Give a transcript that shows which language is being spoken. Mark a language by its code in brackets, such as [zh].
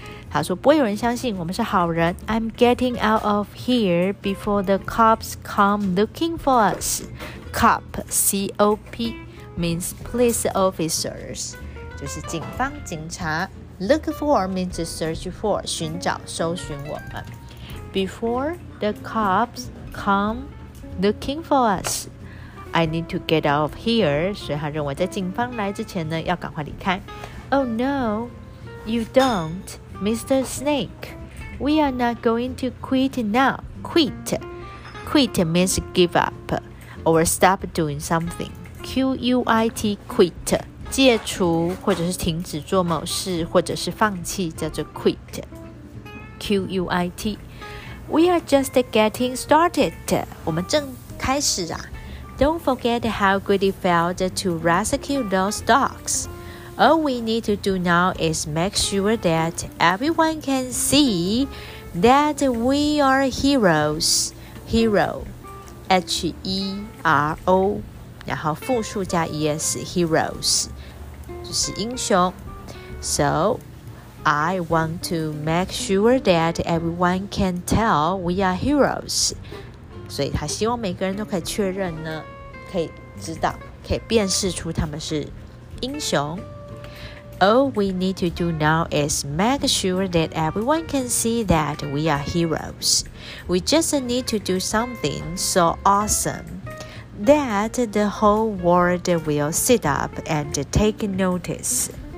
[zh] 他说不会有人相信我们是好人。 [en] I'm getting out of here before the cops come looking for us. Cop, C-O-P, means police officers. [zh] 就是警方、警察。 [en] Look for means search for, [zh] 寻找、搜寻我们。 [en] Before the cops come looking for us, I need to get out of here. [zh] 所以他认为在警方来之前呢，要赶快离开。 [en] Oh no, you don't. Mr. Snake, we are not going to quit now. Quit means give up or stop doing something. Q-U-I-T, quit. [zh] 戒除或者是停止做某事或者是放弃叫做 quit. [en] Q-U-I-T. We are just getting started. [zh] 我们正开始啊。 [en] Don't forget how good it felt to rescue those dogs. All we need to do now is make sure that everyone can see that we are heroes. Hero, H-E-R-O, [zh] 然后复数加 E-S, heroes, 就是英雄。 [en] So, I want to make sure that everyone can tell we are heroes. [zh] 所以他希望每个人都可以确认呢，可以知道，可以辨识出他们是英雄。 [en] All we need to do now is make sure that everyone can see that we are heroes. We just need to do something so awesome that the whole world will sit up and take notice.